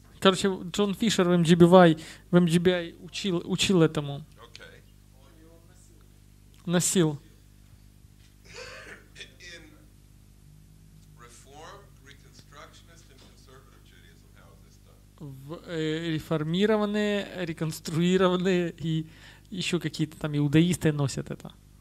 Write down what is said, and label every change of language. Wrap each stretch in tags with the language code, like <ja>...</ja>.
<ru>Короче, Джон Фишер в MGBY учил этому.</ru> <en>Okay.</en> <ru>Носил.</ru> <en>In Reform, Reconstructionist and Conservative Judaism, how is this done?</en> <ru>В реформированные, реконструированные и еще какие-то там иудаисты носят это.</ru>